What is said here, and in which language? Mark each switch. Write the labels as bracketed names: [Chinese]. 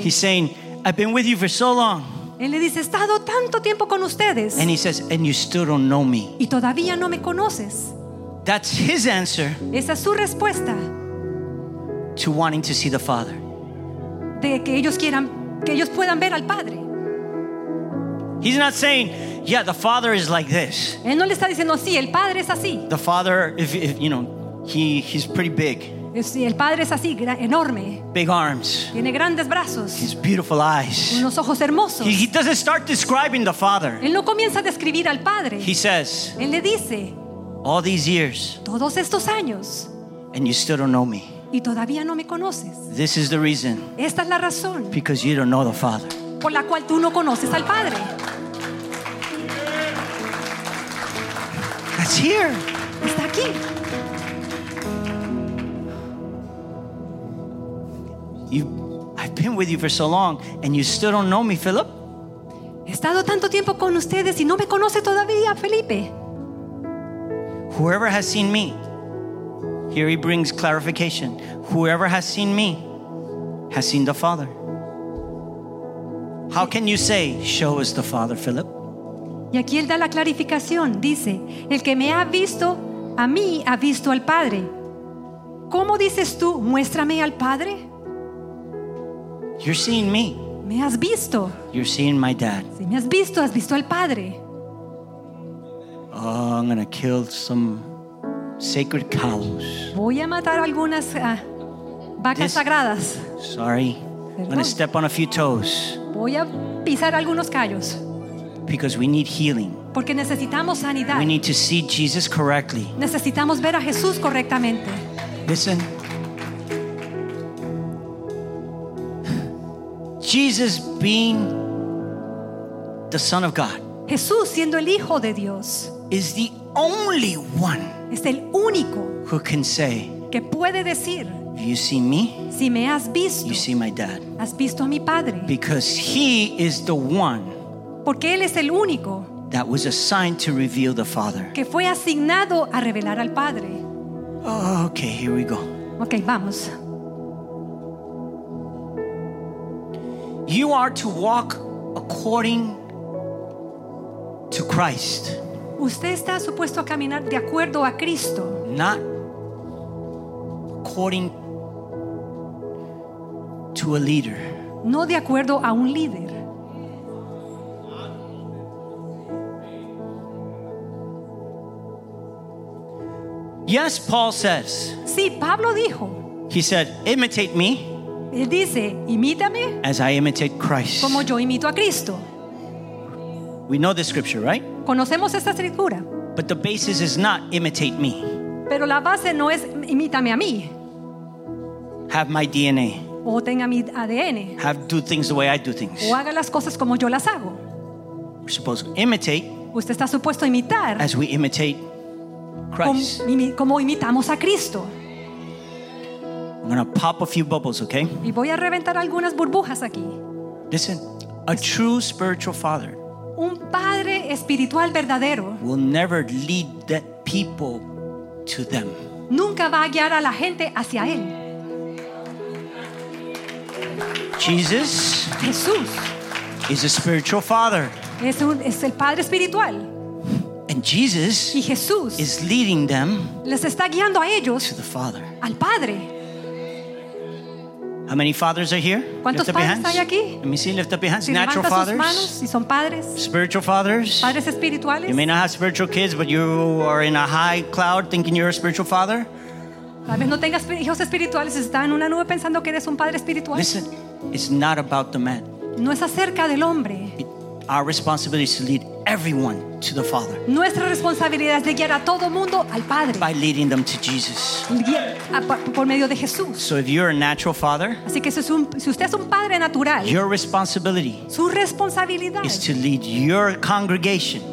[English] He's saying, I've been with you for so long. [Spanish] Él le dice, he estado tanto tiempo con ustedes. [English] And he says, and you still don't know me. [Spanish] Y todavía no me conoces. [English] That's his answer. [Spanish] Esa es su respuesta. [English] To wanting to see the Father. [Spanish] De que ellos quieran, que ellos puedan ver al Padre. [English] He's not saying, yeah, the Father is like this. [Spanish] Él no le está diciendo, sí, el Padre es así. [English] The Father, if you know, he's pretty big. [Spanish] Sí, el Padre es así, enorme. [English] Big arms. [Spanish] Tiene grandes brazos. [English] His beautiful eyes. [Spanish] Unos ojos hermosos. [English] He doesn't start describing the Father. [Spanish] Él no comienza a describir al Padre. [English] He says, [Spanish] él le dice, [English] all these years, [Spanish] todos estos años, [English] and you still don't know me. [Spanish] Y todavía no me conoces. [English] This is the reason. [Spanish] Esta es la razón. [English] Because you don't know the Father. [Spanish] Por la cual tú no conoces al Padre. [English] That's here. [Spanish] Está aquí. [English] I've been with you for so long and you still don't know me, Philip. [Spanish] He estado tanto tiempo con ustedes y no me conoce todavía, Felipe. [English] Whoever has seen me. Here he brings clarification. Whoever has seen me has seen the Father. How can you say, show us the Father, Philip? [Spanish] Y aquí él da la clarificación. Dice, el que me ha visto a mí ha visto al Padre. ¿Cómo dices tú, muéstrame al Padre? [English] You're seeing me. [Spanish] Me has visto. [English] You're seeing my dad. [Spanish] Si me has visto al Padre. [English] Oh, I'm going to kill some sacred cows. [Spanish] Voy a matar algunas vacas sagradas. [English] Sorry. [Spanish] Perdón. [English] I'm going to step on a few toes. [Spanish] Voy a pisar algunos callos. [English] Because we need healing. [Spanish] Porque necesitamos sanidad. [English] We need to see Jesus correctly. [Spanish] Necesitamos ver a Jesús correctamente. [English] Listen. Jesus being the Son of God. [Spanish] Jesús siendo el Hijo de Dios. [English] Is the only one. [Spanish] Es el único [English] who can say, [Spanish] que puede decir, [English] you see me, [Spanish] si me has visto, [English] you see my dad, [Spanish] has visto a mi padre, [English] because he is the one, [Spanish] porque él es el único [English] that was assigned to reveal the Father. [Spanish] Que fue asignado a revelar al Padre. [English] Okay, here we go. [Spanish] Okay, vamos. [English] You are to walk according to Christ. [Spanish] Usted está supuesto a caminar de acuerdo a Cristo. [English] Not according to a leader. [Spanish] No de acuerdo a un líder. [English] Yes, Paul says. [Spanish] Sí, Pablo dijo. [English] He said, imitate me. [Spanish] Él dice, imítame. [English] As I imitate Christ. [Spanish] Como yo imito a Cristo. [English] We know the scripture, right? [Spanish] Conocemos esta escritura. [English] But the basis is not imitate me. [Spanish] Pero la base no es imítame a mí. [English] Have my DNA. [Spanish] O tenga mi ADN. [English] Have do things the way I do things. [Spanish] O haga las cosas como yo las hago. [English] We're supposed to imitate. [Spanish] Usted está supuesto a imitar. [English] As we imitate Christ. [Spanish] Como imitamos a Cristo. [English] I'm gonna pop a few bubbles, okay? [Spanish] Y voy a reventar algunas burbujas aquí. [English] Listen, a true spiritual father. [Spanish] Un padre espiritual verdadero [English] will never lead that people to them. [Spanish] Nunca va a guiar a la gente hacia él. [English] Jesus, [Spanish] Jesús, [English] is a spiritual father. [Spanish] Es el padre espiritual. [English] And Jesus, [Spanish] y Jesús, [English] is leading them. [Spanish] Les está guiando a ellos. [English] To the Father. [Spanish] Al Padre. [English] How many fathers are here? [Spanish] ¿Cuántos padres hay aquí? [English] Let me see, lift up your hands. [Spanish] Si [English] natural fathers. [Spanish] Levanta sus manos, si son padres. [English] Spiritual fathers. [Spanish] Padres espirituales. [English] You may not have spiritual kids, but you are in a high cloud thinking you're a spiritual father. [Spanish] Tal vez no tengas hijos espirituales, está en una nube pensando que eres un padre espiritual. [English] Listen, it's not about the man. [Spanish] No es acerca del hombre. [English] Our responsibility is to lead everyone to the Father. [Spanish] Nuestra responsabilidad es de guiar a todo mundo al Padre. [English] By leading them to Jesus. [Spanish] Por medio de Jesús. [English] So if you're a natural father, [Spanish] así que si usted es un padre natural, [English] your responsibility, [Spanish] su responsabilidad, [English] is to lead your congregation,